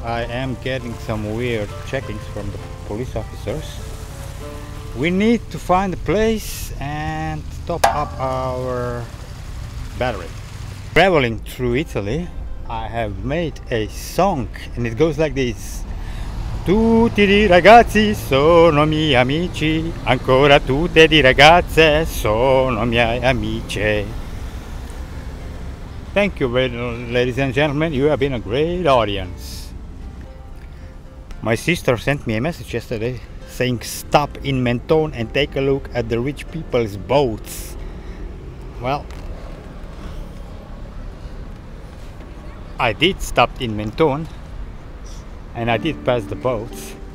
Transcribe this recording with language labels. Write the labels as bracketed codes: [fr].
[en] I am getting some weird checkings from the police officers. We need to find a place and top up our battery. Traveling through Italy, I have made a song, and it goes like this. [it] Tutti di ragazzi sono miei amici, ancora tutte di ragazze sono miei amici. [en] Thank you, ladies and gentlemen, you have been a great audience. My sister sent me a message yesterday saying stop in Mentone and take a look at the rich people's boats. Well, I did stop in Mentone and I did pass the boats.